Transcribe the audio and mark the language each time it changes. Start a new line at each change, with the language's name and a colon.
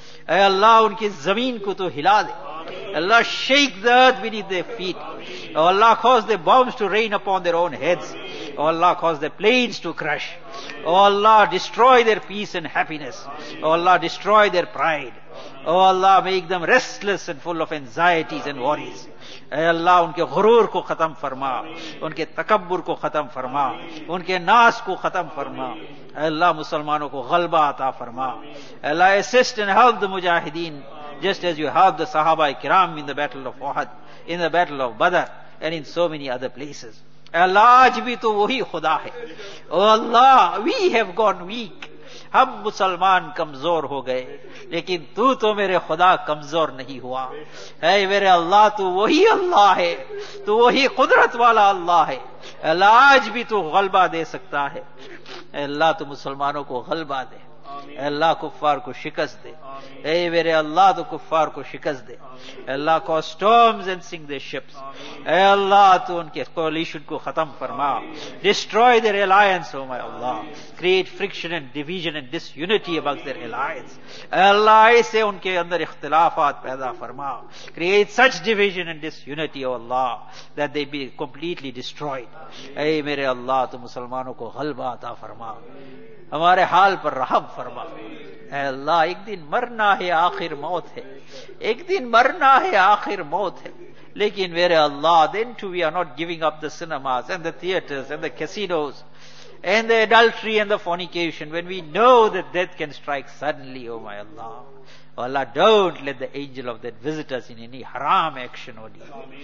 Urdu: Ay Allah, unki zameen ko to hila de.
English: Allah, shake the earth beneath their feet. Oh Allah, cause the bombs to rain upon their own heads. Oh Allah, cause the planes to crash. Oh Allah, destroy their peace and happiness. Oh Allah, destroy their pride. Oh Allah, make them restless and full of anxieties and worries.
Urdu: اے اللہ, ان کے غرور کو ختم فرما, ان کے تکبر کو ختم فرما, ان کے ناس کو ختم فرما. اے اللہ, مسلمانوں کو غلبہ عطا فرما.
English: اے اللہ, assist and help the mujahideen just as you help the sahaba ikram in the battle of Uhud, in the battle of Badr and in so many other places.
Urdu: اے اللہ, آج بھی تو وہی خدا ہے.
English: Oh Allah, we have gone weak.
Urdu: ہم مسلمان کمزور ہو گئے، لیکن تو میرے خدا کمزور نہیں ہوا. اے میرے اللہ، تو وہی اللہ ہے، تو وہی قدرت والا اللہ ہے. اللہ آج بھی تو غلبہ دے سکتا ہے. اے اللہ، تو مسلمانوں کو غلبہ دے. اے اللہ، کفار کو شکست دے. اے میرے اللہ، تو کفار کو شکست دے. اے اللہ،
English: کو storms and sink the ships.
Urdu: اے اللہ، تو ان کے کوالیشن کو ختم فرما.
English: Destroy their alliance O my Allah. Create friction and division and disunity among their alliance.
Urdu: اے اللہ، ایسے ان کے اندر اختلافات پیدا فرما.
English: Create such division and disunity O Allah that they be completely destroyed.
Urdu: اے میرے اللہ، تو مسلمانوں کو غلبہ عطا فرما. ہمارے حال پر رحم فرما. اے اللہ، ایک دن مرنا ہے، آخر موت ہے. ایک دن مرنا ہے، آخر موت ہے. لیکن میرے اللہ،
English: then too we are not giving up the cinemas and the theaters and the casinos and the adultery and the fornication when we know that death can strike suddenly. Oh my Allah. Oh Allah, don't let the angel of death visit us in any haram action only.